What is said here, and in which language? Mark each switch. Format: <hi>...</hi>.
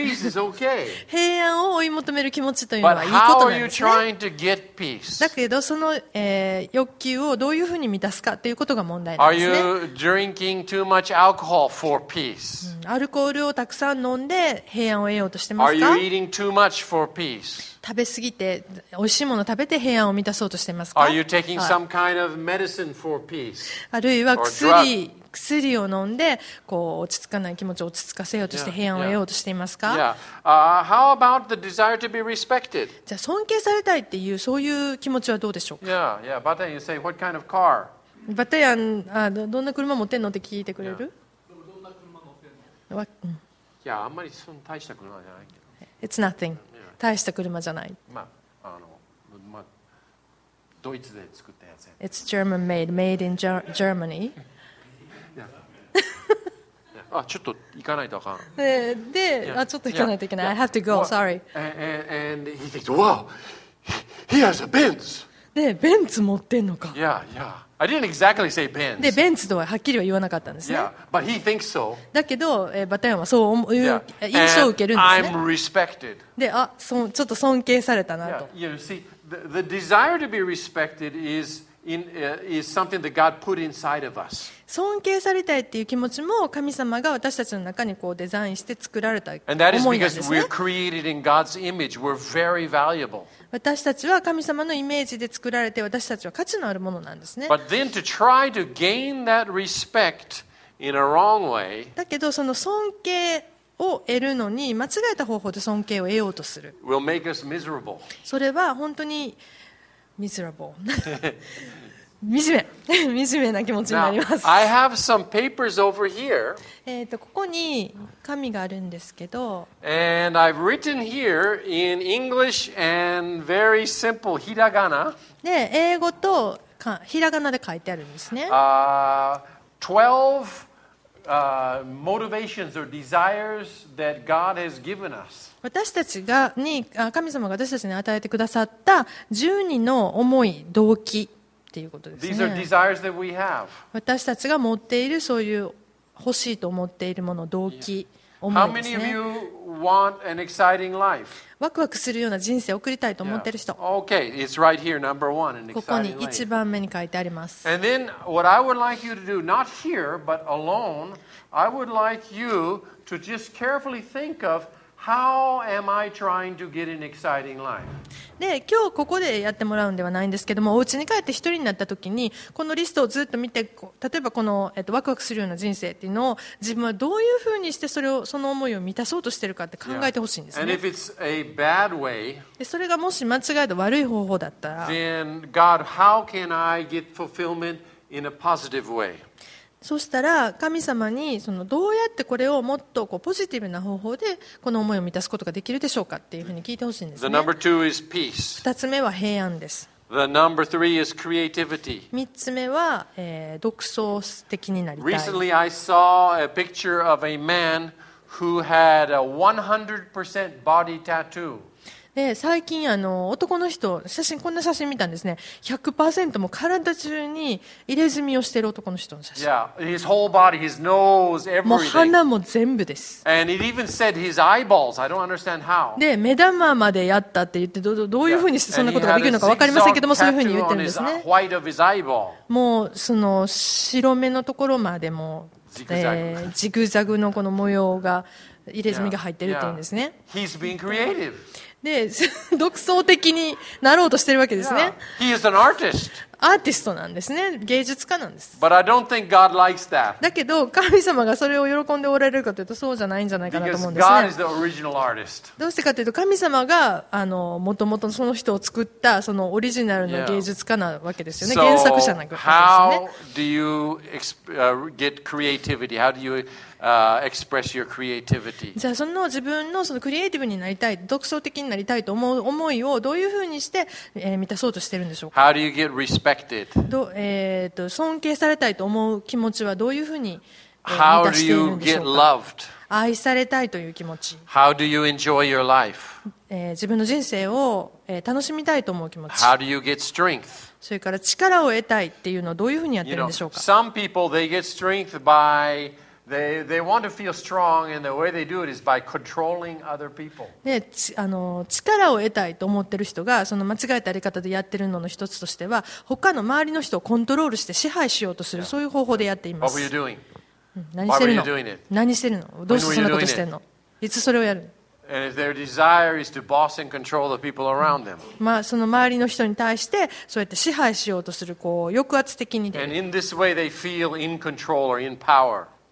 <ja>平安を追い求める気持ちというのはいいことなんですね。だけどその、欲求をどういうふうに満たすかということが問題なんですね。</ja> <en>Are you drinking too much alcohol for peace?</en> <ja>アルコールをたくさん飲んで平安を得ようとしてますか？</ja> <en>Are you eating too much for peace?</en> <ja>食べ過ぎて美味しいものを食べて平安を満たそうとしていますか？</ja> <en>kind of medicine for peace?</en> <ja>あるいは薬を飲んでこう落ち着かない気持ちを落ち着かせようとして平安を得ようとしていますか？</ja> <en>How about the desire to be respected?</en> <ja>じゃあ尊敬されたいっていうそういう気持ちはどうでしょうか？</ja> <en>Yeah. But then you say, what kind of car?</en> <ja>バタヤン、どんな車持ってんのって聞いてくれる？どんな車乗ってんの？いや、あんまりそん大した車じゃないけど。</ja> <en>It's nothing.</en> <ja>大した車じゃない。まあ、ドイツで作ったやつ。</ja> <en>It's German made, made in Germany.</en> <ja>あ、ちょっと行かないとあかん。で、あ、ちょっと行かないといけない。</ja> <en>I have to go, sorry. And he thinks, wow, he has a Benz.</en> <ja>で、ベンツ持ってんのか。</ja> <en>Yeah, yeah. I didn't exactly say Benz.</en> <ja>で、ベンツとははっきりは言わなかったんですね。</ja> <en>Yeah, but he thinks so.</en> <ja>だけど、バタヤンはそういう印象を受けるんですね。</ja> <en>I'm respected.</en> <ja>で、あ、ちょっと尊敬されたなと。</ja> <en>Yeah, you know, see, the desire to be respected is something that God put inside of us.</en> <ja>尊敬されたいっていう気持ちも神様が私たちの中にこうデザインして作られた思いなんですね。</ja> <en>And that is because we're created in God's image. We're very valuable.</en> <ja>私たちは神様のイメージで作られて、私たちは価値のあるものなんですね。</ja> <en>But then to try to gain that respect in a wrong way.</en> <ja>だけどその尊敬を得るのに間違えた方法で尊敬を得ようとする。</ja> <en>Will make us miserable.</en> <ja>それは本当に miserable。惨め、惨めな気持ちになります。</ja> <en>Now, I have some papers over here.</en> <ja>ここに紙があるんですけど。</ja> <en>And I've written here in English and very simple hiragana.</en> <ja>で、英語とひらがなで書いてあるんですね。</ja> <en>12motivations or desires that God has given us.</en> <ja>私たちがに神様が私たちに与えてくださった12の思い動機っていうことですね。</ja> <en>These are desires that we have.</en> <ja>私たちが持っているそういう欲しいと思っているもの動機、思いですね。</ja> <en>How many of you want an exciting life?</en> <ja>ワクワクするような人生を送りたいと思っている人。</ja> <en>Yeah. Okay, it's right here, number one, an exciting life.</en> <ja>ここに1番目に書いてあります。</ja> <en>And then what I would like you to do, not here, but alone, I would like you to just carefully think of how am I trying to get an exciting life.</en> <ja>で、今日ここでやってもらうんではないんですけども、お家に帰って一人になった時にこのリストをずっと見て、例えばこの、ワクワクするような人生っていうのを自分はどういうふうにしてそれをその思いを満たそうとしているかって考えてほしいんですね。</ja> <en>And if it's a bad way,</en> <ja>でそれがもし間違えた悪い方法だったら、</ja> <en>then God, how can I get fulfillment in a positive way?</en> <ja>そしたら神様にそのどうやってこれをもっとこうポジティブな方法でこの思いを満たすことができるでしょうかっていうふうに聞いてほしいんですね。</ja> <en>The number two is peace.</en> <ja>2つ目は平安です。</ja> <en>The number three is creativity.</en> <ja>3つ目は、独創的になりたい。</ja> <en>Recently I saw a picture of a man who had a 100% body tattoo.</en> <ja>で最近あの男の人写真こんな写真見たんですね。 100% も体中に入れ墨をしている男の人の写真。</ja> <en>Yeah, his whole body, his nose, everything.</en> <ja>もう鼻も全部です。</ja> <en>And it even said his eyeballs. I don't understand how.</en> <ja>で目玉までやったって言って どういうふうにしてそんなことができるのか分かりませんけども、そういうふうに言ってるんですね。</ja> <en>White of his eyeball.</en> <ja>もうその白目のところまでもジグザグのこの模様が入れ墨が入ってるって言うんですね。</ja> <en>yeah. Yeah. He's being creative.</en> <ja>で独創的になろうとしてるわけですね。</ja> <en>Yeah. He is an artist.</en> <ja>アーティストなんですね。芸術家なんです。</ja> <en>But I don't think God likes that.</en> <ja>だけど神様がそれを喜んでおられるかというとそうじゃないんじゃないかなと思うんですね。</ja> <en>Because God is the original artist.</en> <ja>どうしてかというと神様がもともとその人を作ったそのオリジナルの芸術家なわけですよね。 Yeah. 原作者なわけですね。</ja> <en>So how do you get creativity? How do youExpress your creativity.</en> <ja>じゃあその自分 の, そのクリエイティブになりたい、独創的になりたいと思う思いをどういうふうにして、満たそうとしているんでしょうか。</ja> <en>How do you get respected?</en> <ja>尊敬されたいと思う気持ちはどういうふうに、</ja> <en>How do you get loved?</en> <ja>愛されたいという気持ち。</ja> <en>How do you enjoy your life?</en> <ja>自分の人生を、楽しみたいと思う気持ち。</ja> <en>How do you get strength?</en> <ja>それから力を得たいっていうのはどういうふうにやってるんでしょうか。</ja> <en>You know, some people they get strength byThey want to feel strong, and the way they do it is by controlling other people.</en> <ja>で、力を得たいと思ってる人がその間違えたやり方でやってるのの一つとしては、他の周りの人をコントロールして支配しようとする、そういう方法でやっています。</ja> <en>What were you doing?</en> <ja>何してるの？</ja> <en>Why were you doing it?</en> <ja>どうしてそんなことしてんの？いつそれをやるの？</ja> <en>And if their desire is to boss and control the people around them.</en> <ja>まあ、その周りの人に対してそうやって支配しようとするこう抑圧的に。</ja> <en>And in this way, they feel in control or in power.</en>